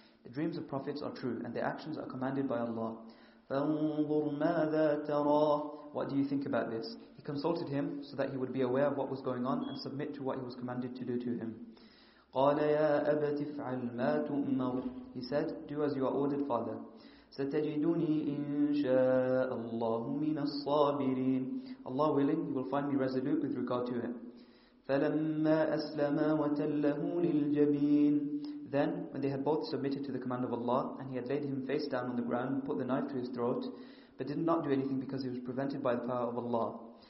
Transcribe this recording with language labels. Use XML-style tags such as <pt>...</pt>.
<en>The dreams of prophets are true, and their actions are commanded by Allah.</en> <ar>فَانْظُرْ مَاذَا تَرَى.</ar> <en>What do you think about this? He consulted him so that he would be aware of what was going on and submit to what he was commanded to do to him.</en> <ar>قال يا أبت افعل ما تؤمر.</ar> <en>He said, do as you are ordered, father.</en> <ar>ستجدني إن شاء الله من الصابرين.</ar> <en>Allah willing, you will find me resolute with regard to it.</en> <ar>فلما أسلما وتله للجبين.</ar> <en>Then, when they had both submitted to the command of Allah, and he had laid him face down on the ground and put the knife to his throat, but did not do anything because he was prevented by the power of Allah.</en>